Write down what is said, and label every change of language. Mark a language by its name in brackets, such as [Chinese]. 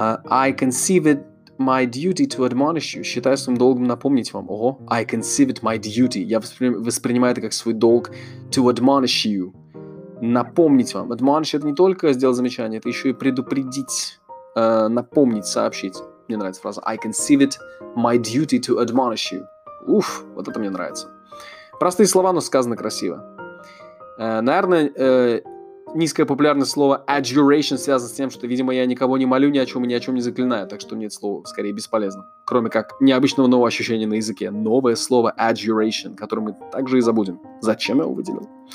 [English] I conceive it my duty to admonish you. [Russian] Считаю своим долгом напомнить вам. [English] Ого. I conceive it my duty. [Russian] Я воспринимаю это как свой долг. [English] To admonish you. [Russian] Напомнить вам. Admonish — это не только сделать замечание, это еще и предупредить, напомнить, сообщить. Мне нравится фраза. [English] I conceive it my duty to admonish you. [Russian] Уф, вот это мне нравится. Простые слова, но сказано красиво. Наверное, низкое популярное слово adjuration связано с тем, что, видимо, я никого не молю, ни о чем не заклинаю, так что мне это слово скорее бесполезно. Кроме как необычного нового ощущения на языке. Новое слово adjuration, которое мы также и забудем. Зачем я его выделил?